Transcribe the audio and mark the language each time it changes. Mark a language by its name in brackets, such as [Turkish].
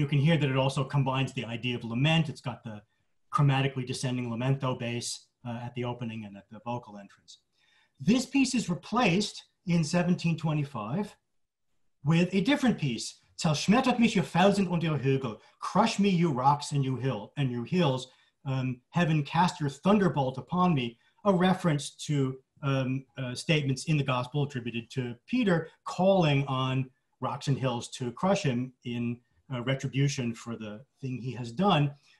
[English] That it also combines the idea of lament. It's got the chromatically descending lamento bass at the opening and at the vocal entrance. This piece is replaced in 1725 with a different piece. [German] Zerschmettert mich, ihr Felsen und ihr Hügel. [English] Crush me, you rocks and you hills. Heaven cast your thunderbolt upon me. A reference to statements in the gospel attributed to Peter calling on rocks and hills to crush him in retribution for the thing he has done.